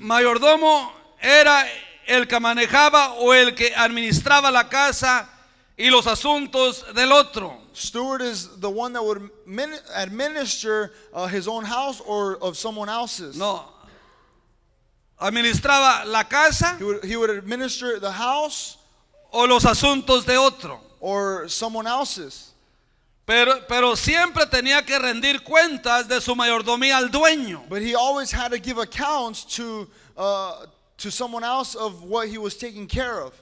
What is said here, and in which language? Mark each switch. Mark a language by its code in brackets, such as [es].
[es] Mayordomo era el que manejaba o el que administraba la casa y los asuntos del otro. [en] Steward is the one that would administer his own house or of someone else's. [es] No. administraba la casa, [en] he would administer the house, [es] o los asuntos de otro, [en] or someone else's. [es] Pero siempre tenía que rendir cuentas de su mayordomía al dueño. [en] But he always had to give accounts to someone else of what he was taking care of.